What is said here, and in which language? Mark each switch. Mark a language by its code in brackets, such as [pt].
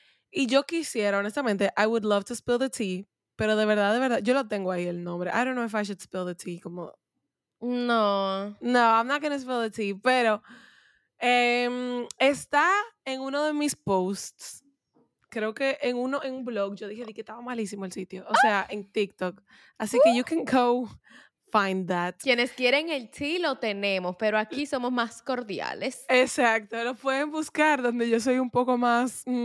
[es] Y yo quisiera, honestamente, [en] I would love to spill the tea, [es] pero de verdad, yo lo tengo ahí el nombre. [en] I don't know if I should spill the tea, como... No. No, I'm not gonna spill the tea, [es] pero está en uno de mis posts. Creo que en un blog, yo dije que estaba malísimo el sitio, o sea, en TikTok. [en] Así que you can go find that. [es] Quienes quieren el tea lo tenemos, pero aquí somos más cordiales. Exacto, lo pueden buscar donde yo soy un poco más